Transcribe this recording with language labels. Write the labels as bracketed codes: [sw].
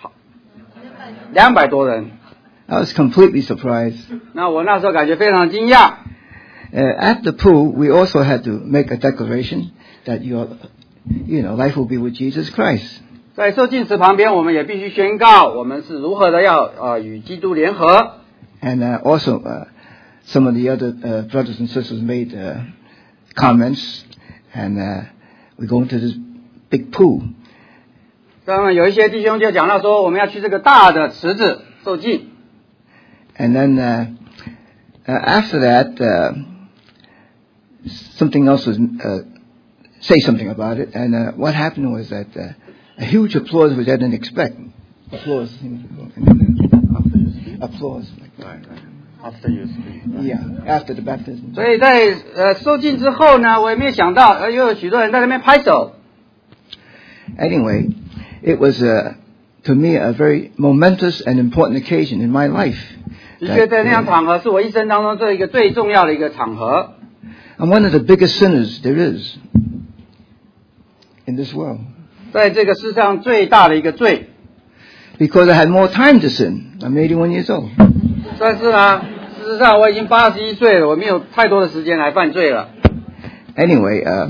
[zh] 结果宣布了以后，却有200多人。 [en] I was completely surprised. [zh] 那我那时候感觉非常惊讶。 [en] At the pool, we also had to make a declaration that your life will be with Jesus Christ. [zh] 在受浸池旁边，我们也必须宣告我们是如何的要与基督联合。 [en] And also, some of the other brothers and sisters made comments, and we go into this big pool. [zh] 那么有一些弟兄就讲到说，我们要去这个大的池子受浸。 [en] And then after that, something else was say something about it. And what happened was that a huge applause, which I didn't expect. Applause. After applause. After the baptism. Yeah, after the baptism. [zh] 所以在受浸之后呢，我也没有想到，又有许多人在那边拍手。 [en] Anyway, it was to me a very momentous and important occasion in my life. [zh] 的确，在那样场合是我一生当中这一个最重要的一个场合。 [en] I'm one of the biggest sinners there is in this world. [zh] 在这个世上最大的一个罪。 [en] Because I had more time to sin. I'm 81 years old. [zh] 算是啊，事实上我已经81岁了，我没有太多的时间来犯罪了。 [en] Anyway,